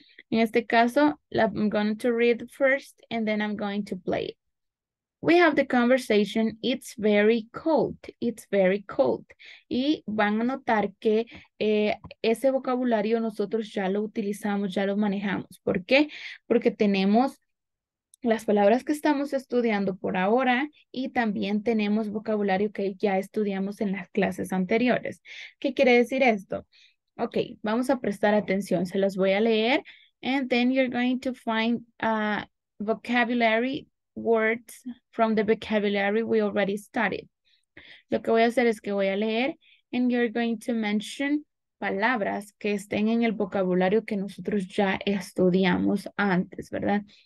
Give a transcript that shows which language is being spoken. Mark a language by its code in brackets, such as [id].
[en] In este caso, I'm going to read first and then I'm going to play. We have the conversation, it's very cold, it's very cold. [es] Y van a notar que ese vocabulario nosotros ya lo utilizamos, ya lo manejamos. ¿Por qué? Porque tenemos las palabras que estamos estudiando por ahora y también tenemos vocabulario que ya estudiamos en las clases anteriores. ¿Qué quiere decir esto? Ok, vamos a prestar atención, se los voy a leer. [en] And then you're going to find vocabulary words from the vocabulary we already studied. [es] Lo que voy a hacer es que voy a leer and you're going to mention palabras que estén en el vocabulario que nosotros ya estudiamos antes, ¿verdad?